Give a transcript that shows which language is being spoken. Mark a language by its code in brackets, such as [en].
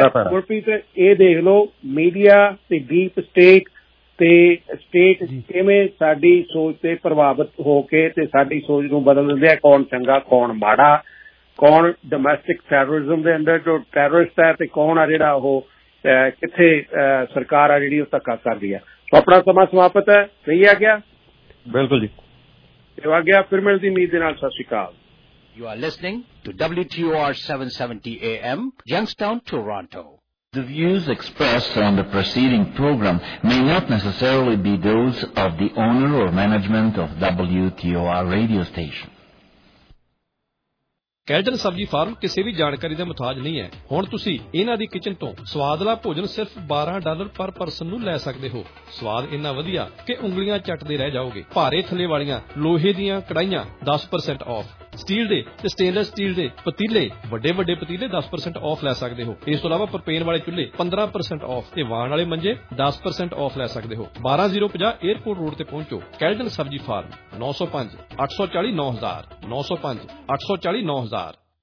[pa] ਗੁਰਪ੍ਰੀਤ ਇਹ ਦੇਖ ਲਓ ਮੀਡੀਆ ਤੇ ਡੀਪ ਸਟੇਟ ਤੇ ਸਟੇਟ ਕਿਵੇਂ ਸਾਡੀ ਸੋਚ ਤੇ ਪ੍ਰਭਾਵਿਤ ਹੋ ਕੇ ਤੇ ਸਾਡੀ ਸੋਚ ਨੂੰ ਬਦਲ ਦਿੰਦੇ ਆ ਕੌਣ ਚੰਗਾ ਕੌਣ ਮਾੜਾ ਕੌਣ ਡੋਮੈਸਟਿਕ ਟੈਰੋਰਿਜ਼ਮ ਦੇ ਅੰਦਰ ਜੋ ਟੈਰੋਰਿਸਟ ਹੈ ਤੇ ਕੌਣ ਆ ਜਿਹੜਾ ਉਹ ਕਿੱਥੇ ਸਰਕਾਰ ਆ ਜਿਹੜੀ ਉਹ ਧੱਕਾ ਕਰਦੀ ਆ ਸੋ ਆਪਣਾ ਸਮਾਂ ਸਮਾਪਤ ਹੈ ਸਹੀ ਆ ਗਿਆ ਬਿਲਕੁਲ ਜੀ ਸੇਵਾ ਆ ਗਿਆ ਫਿਰ ਮਿਲਦੀ ਉਮੀਦ ਦੇ ਨਾਲ ਸਤਿ ਸ਼੍ਰੀ ਅਕਾਲ [en] You are listening to WTOR 770 AM Youngstown Toronto The views expressed on the preceding program may not necessarily be those of the owner or management of WTOR radio station. [pa] ਕੈਲਟਨ ਸਬਜ਼ੀ ਫਾਰਮ ਕਿਸੇ ਵੀ ਜਾਣਕਾਰੀ ਦਾ ਮੁਤਾਜ ਨਹੀਂ ਹੈ ਹੁਣ ਤੁਸੀਂ ਇਹਨਾਂ ਦੀ ਕਿਚਨ ਤੋਂ ਸਵਾਦਲਾ ਭੋਜਨ ਸਿਰਫ $12 ਪਰ ਪਰਸਨ ਨੂੰ ਲੈ ਸਕਦੇ ਹੋ ਸਵਾਦ ਇੰਨਾ ਵਧੀਆ ਕਿ ਉਂਗਲੀਆਂ ਚੱਟਦੇ ਰਹਿ ਜਾਓਗੇ ਭਾਰੇ ਥੱਲੇ ਵਾਲੀਆਂ ਲੋਹੇ ਦੀਆਂ ਕੜਾਈਆਂ 10% ਆਫ ਸਟੀਲ ਦੇ ਤੇ ਸਟੇਨਲੈਸ ਸਟੀਲ ਦੇ ਪਤੀਲੇ ਵੱਡੇ ਵੱਡੇ ਪਤੀਲੇ 10% ਆਫ ਲੈ ਸਕਦੇ ਹੋ ਇਸ ਤੋਂ ਇਲਾਵਾ ਪ੍ਰੋਪੇਨ ਵਾਲੇ ਚੁੱਲ੍ਹੇ 15% ਆਫ ਤੇ ਵਾਣ ਵਾਲੇ ਮੰਜੇ 10% ਆਫ ਲੈ ਸਕਦੇ ਹੋ 12050 ਏਅਰਪੋਰਟ ਰੋਡ ਤੇ ਪਹੁੰਚੋ ਕੈਲਟਨ ਸਬਜ਼ੀ ਫਾਰਮ 905-840-9000 905-840-9000